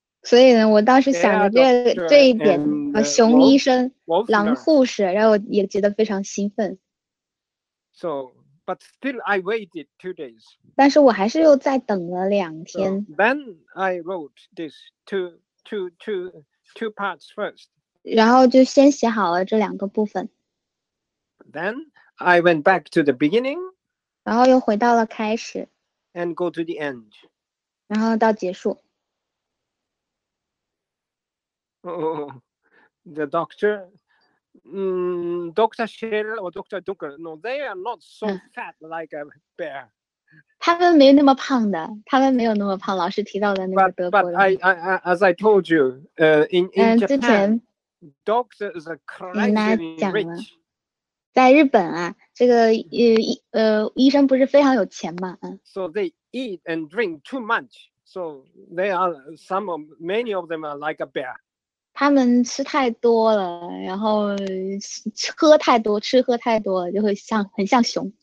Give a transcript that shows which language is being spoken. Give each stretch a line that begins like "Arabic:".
Chinese: 所以呢，我当时想着这一点，
English: and,
Chinese: 熊医生、
English: wolf,
Chinese: 狼护士，让我也觉得非常兴奋。
English: So, but still, I waited 2 days.
Chinese: 但是我还是又再等了两天。
English: So, then I wrote this two parts first.
Chinese: 然后就先写好了这两个部分。
English: Then I went back to the beginning.
Chinese: 然后又回到了开始。
English: And go to the end.
Chinese: 然后到结束。
English: The doctor, Dr. Shell or Dr. Duncan, no, they are not so fat like a bear.
Chinese: 他们没那么胖的，他们没有那么胖。老师提到的那个德国人。
English: But as I told you, in Japan, doctor is a crazy rich.
Chinese: 在日本啊，这个医生不是非常有钱嘛，嗯。
English: So they eat and drink too much. So they are many of them are like a bear.
Chinese: 他们吃太多了，然后喝太多，吃喝太多了，就会像很像熊。